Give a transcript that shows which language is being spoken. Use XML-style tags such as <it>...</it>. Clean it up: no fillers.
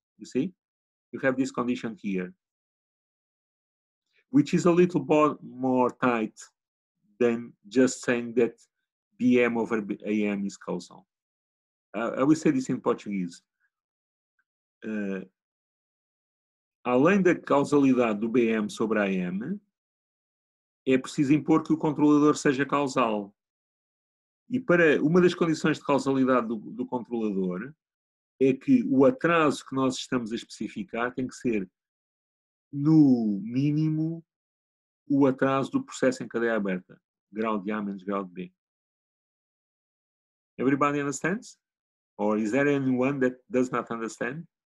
<en>You see, you have this condition here, which is a little more tight than just saying that BM over AM is causal. I will say this in Portuguese.</en> <pt>Além da causalidade do BM sobre a AM, é preciso impor que o controlador seja causal. E para uma das condições de causalidade do controlador é que o atraso que nós estamos a especificar tem que ser, no mínimo, o atraso do processo em cadeia aberta, grau de A menos grau de B.</pt> <en>Everybody understands? Or is there anyone that does not understand?</en>